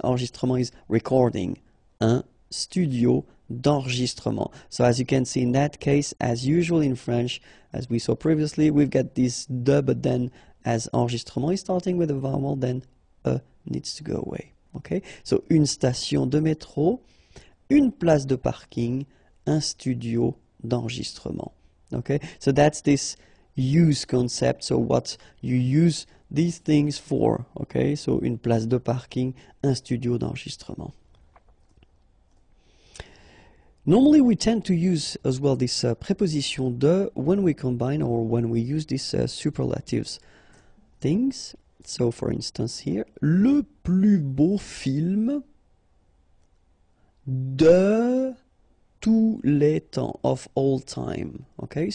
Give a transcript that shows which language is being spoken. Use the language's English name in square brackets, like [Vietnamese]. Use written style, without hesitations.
[French] Enregistrement [English] is recording. [French] Un studio d'enregistrement. [English] So as you can see in that case, as usual in French, as we saw previously, we've got this de, but then as enregistrement is starting with a vowel, then a needs to go away, okay? [French] So une station de métro, une place de parking, un studio d'enregistrement. [English] Okay, so that's this use concept, so what you use these things for, okay? [French] So, une place de parking, un studio d'enregistrement. [English] Normally, we tend to use as well this préposition de when we combine or when we use these superlatives things. So, for instance here, [French] le plus beau film de tous les temps, [English] of all time, okay?